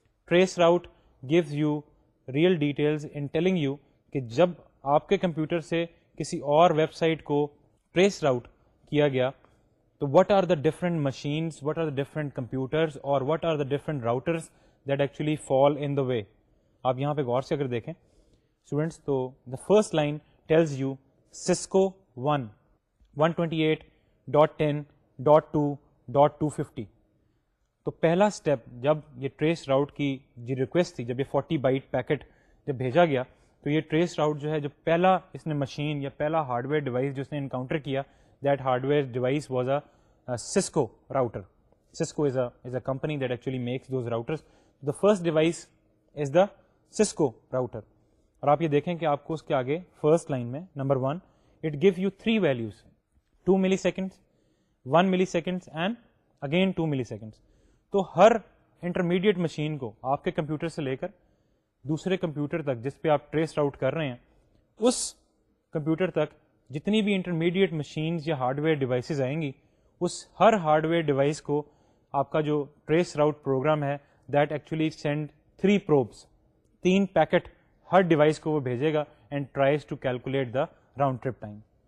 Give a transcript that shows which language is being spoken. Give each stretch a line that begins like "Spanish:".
English: traceroute gives you real details in telling you
Urdu: کہ جب آپ کے کمپیوٹر سے کسی اور ویب سائٹ کو ٹریس راؤٹ کیا گیا تو
English: what are the different machines what are the different computers اور what are the different routers that actually fall in the way
Urdu: آپ یہاں پہ غور سے اگر دیکھیں اسٹوڈنٹس تو
English: the first line tells you Cisco 128.10.2.250
Urdu: تو پہلا اسٹیپ جب یہ ٹریس راؤٹ کی جو ریکویسٹ تھی, جب یہ 40 بائٹ پیکٹ جب بھیجا گیا, تو یہ ٹریس راؤٹ جو ہے, جو پہلا اس نے مشین یا پہلا ہارڈ ویئر ڈیوائس جو اس نے انکاؤنٹر کیا,
English: That hardware device was a Cisco router. Cisco is a company that actually makes those routers. The first device is the Cisco router.
Urdu: اور آپ یہ دیکھیں کہ آپ کو اس کے آگے فرسٹ لائن میں number one
English: it gave you three values,
Urdu: 2 ملی سیکنڈ, 1 ملی سیکنڈ اینڈ اگین 2 ملی سیکنڈ. تو ہر انٹرمیڈیٹ مشین کو آپ کے کمپیوٹر سے لے کر دوسرے کمپیوٹر تک جس پہ آپ ٹریس راؤٹ کر رہے ہیں, اس کمپیوٹر تک جتنی بھی انٹرمیڈیٹ مشینز یا ہارڈ ویئر ڈیوائسیز آئیں گی, اس ہر ہارڈ ویئر ڈیوائس کو آپ کا جو ٹریس راؤٹ پروگرام ہے
English: that actually send 3 probes, 3 packets
Urdu: Hare device کو وہ بھیجے گا
English: And tries to calculate the round trip time.